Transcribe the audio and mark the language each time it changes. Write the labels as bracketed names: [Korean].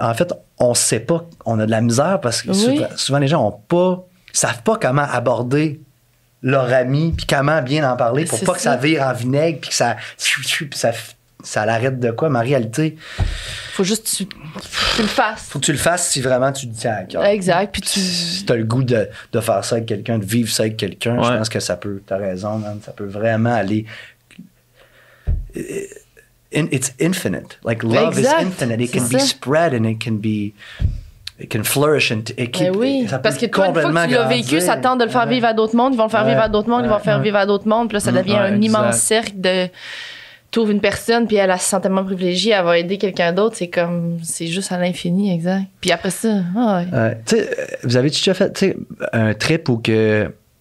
[French] En fait, on sait pas, on a de la misère parce que souvent les gens ont pas savent pas comment aborder leur ami, puis comment bien en parler pour pas que ça vire en vinaigre, puis que ça, ça l'arrête de quoi, ma réalité. Faut juste que tu le fasses. Faut que tu le fasses si vraiment tu te tiens à cœur. Exact. Puis tu... Si t'as le goût de faire ça avec quelqu'un, de vivre ça avec quelqu'un, je pense que ça peut, t'as raison, man, ça peut vraiment aller... [English] It's infinite. Like, love is infinite. It can be spread and it can be... It can flourish and it keep, [French] ça parce que toi, une fois que tu l'as vécu, ça tente de le faire vivre à d'autres mondes. Ils vont le faire vivre à d'autres mondes, ils vont le faire vivre à d'autres mondes. Puis là, ça devient un immense cercle de... Tu ouvres une personne, puis elle se sent tellement privilégiée, elle va aider quelqu'un d'autre. C'est comme... C'est juste à l'infini, exact. Puis après ça... Tu sais, vous avez déjà fait un trip où que...